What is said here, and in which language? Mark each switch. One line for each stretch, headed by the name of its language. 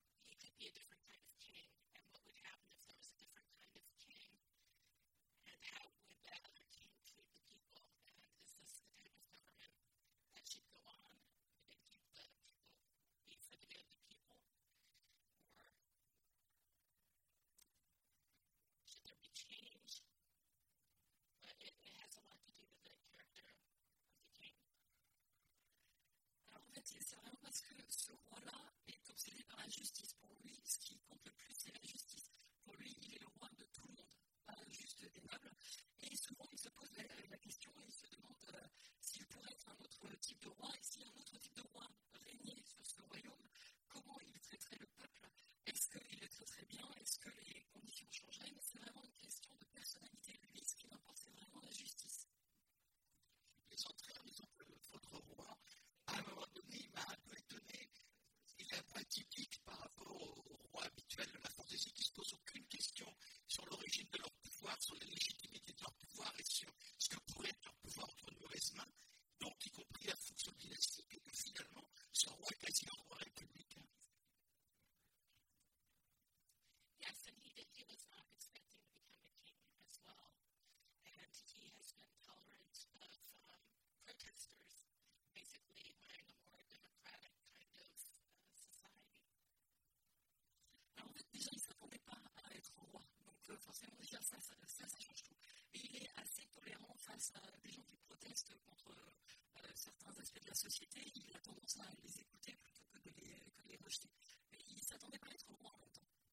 English: he could be a different kind of king, and what would happen if there was a different kind of king, and how would that other king treat the people, and is this the type of government that should go on and keep the people, be for the good of the people, or should there be change? But it has a lot to do with the character of the king.
French: Alors, en fait, c'est vraiment parce que ce roi-là est obsédé par la justice. Pour lui, ce qui compte le plus, c'est la justice. Pour lui, il est le roi de tout le monde, pas juste des nobles. Et souvent, il se pose la question et il se demande s'il pourrait être un autre type de roi. Et si un autre type de roi régnait sur ce royaume, comment il traiterait le peuple? Est-ce qu'il le traiterait bien? Est-ce que les conditions changeraient? Mais c'est vraiment une question de personnalité. Lui, ce qui importe, c'est vraiment la justice. Je plaisanterais en disant que votre roi, à un moment donné, il m'a un peu étonné. Il est un peu atypique par rapport au roi habituel de la fantasy qui ne se pose aucune question sur l'origine de leur pouvoir, sur la légitimité de leur pouvoir et sur ce que pourrait être leur pouvoir entre de mauvaises mains, donc y compris la fonction dynastique, et que finalement, ce roi est quasi un roi républicain.
English: Yes, and he was not expecting to become a king as well. And he has been tolerant of protesters. Basically, we're in a more democratic kind of society.
French: Alors, en fait, déjà, il ne s'attendait pas à être roi. Donc, forcément, déjà, ça change tout. Et il est assez tolérant face à des gens qui protestent contre certains aspects de la société. Il a tendance à les écouter plutôt que de les rejeter. Mais il ne s'attendait pas à être roi en même temps.